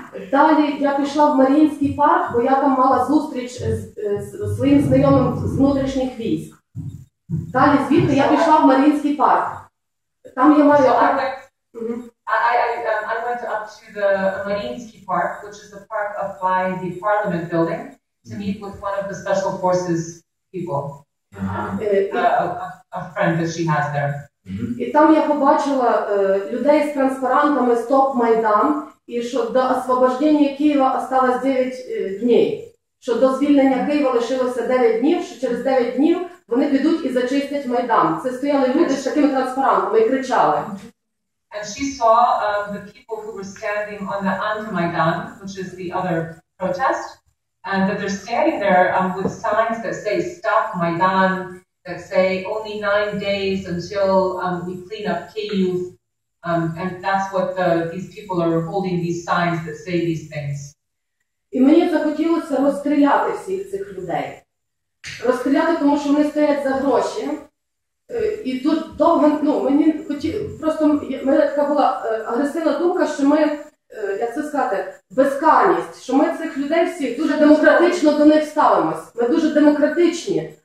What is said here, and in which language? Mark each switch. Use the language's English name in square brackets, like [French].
[Ukrainian] Далі я пішла в Маріїнський парк, бо я там мала зустріч з своїм знайомим з внутрішніх військ. Далі звідти я пішла в Маріїнський парк. Там я маю. [English] I went up to the Маріїнський парк, which is the park up by the parliament building, to meet with one of the special forces people. A friend that she has there. Mm-hmm. [Ukrainian] І там я побачила людей з транспарантами «Стоп Майдан», і що до освобождення Києва осталось 9 днів, що до звільнення Києва лишилося 9 днів, що через 9 днів вони підуть і зачистять Майдан. Це стояли люди з такими транспарантами і кричали. [English] And she saw the people who were standing on the anti-Майдан, which is the other protest, and that they're standing there with signs that say «Stop Майдан», that say only 9 days until we clean up Kyiv, and that's what these people are holding these signs that say these things. [Ukrainian] І мені захотілося розстріляти всіх цих людей. Розстріляти, тому що вони стоять за гроші. І тут довго, мені хотілося, просто мене така була агресивна думка, що ми, як це сказати, безкарність, що ми цих людей всіх дуже демократично до них ставимось. Ми дуже демократичні.